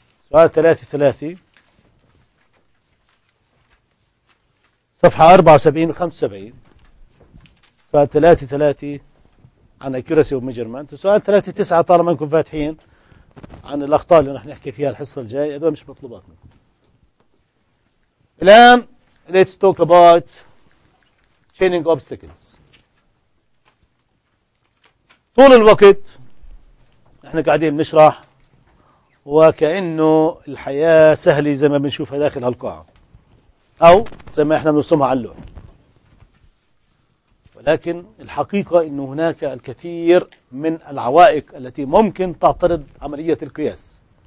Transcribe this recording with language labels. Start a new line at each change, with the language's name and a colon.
Arabic: سؤال 3-3 صفحة 74 و75، سؤال 3-3 عن accuracy of measurement، سؤال 3-9 طالما انكم فاتحين عن الأخطاء اللي رح نحكي فيها الحصة الجاية، هذا مش مطلوبات منكم.
English: الآن let's talk about chaining obstacles.
Arabic: طول الوقت احنا قاعدين بنشرح وكأنه الحياة سهلة زي ما بنشوفها داخل هالقاعة أو زي ما احنا بنرسمها على اللوح، لكن الحقيقة أنه هناك الكثير من العوائق التي ممكن تعترض عملية القياس.